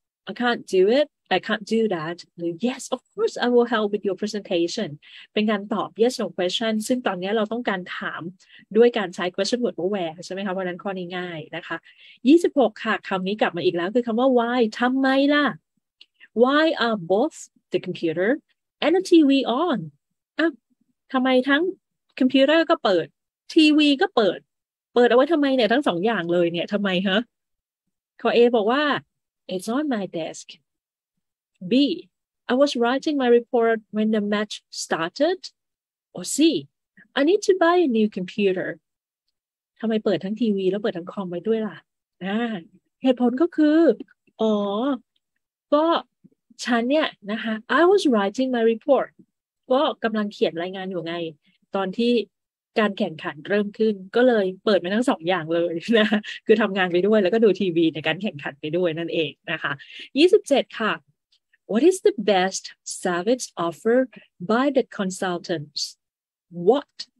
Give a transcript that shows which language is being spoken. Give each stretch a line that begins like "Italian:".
English: I can't do it I can't do that
Thai: หรือ
English: yes of course I will help with your presentation
Thai: เป็นการตอบ
English: yes no question
Thai: ซึ่งตอนนี้เราต้องการถามด้วยการใช้ question word where ใช่ไหมคะเพราะนั้นข้อนี้ง่ายนะคะ26ค่ะคำนี้กลับมาอีกแล้วคือคำว่า why ทำไมล่ะ
English: why are both the computer and the TV on
Thai: ทำไมทั้งคอมพิวเตอร์ก็เปิดทีวีก็เปิดเปิดเอาไว้ทำไมเนี่ยทั้งสองอย่างเลยเนี่ยทำไมฮะข้อ A บอกว่า
English: it's on my deskB. I was writing my report when the match started. Or C. I need to buy a new computer.
Thai: ทำไมเปิดทั้งทีวีแล้วเปิดทั้งคอมไว้ด้วยล่ะเหตุผลก็คืออ๋อก็ฉันเนี่ยนะคะ
English: I was writing my report.
Thai: ก็กำลังเขียนรายงานอยู่ไงตอนที่การแข่งขันเริ่มขึ้นก็เลยเปิดไปทั้งสองอย่างเลยนะคือทำงานไปด้วยแล้วก็ดูทีวีในการแข่งขันไปด้วยนั่นเองนะคะ27ค่ะ
English: What is the best service offered by the consultants? What?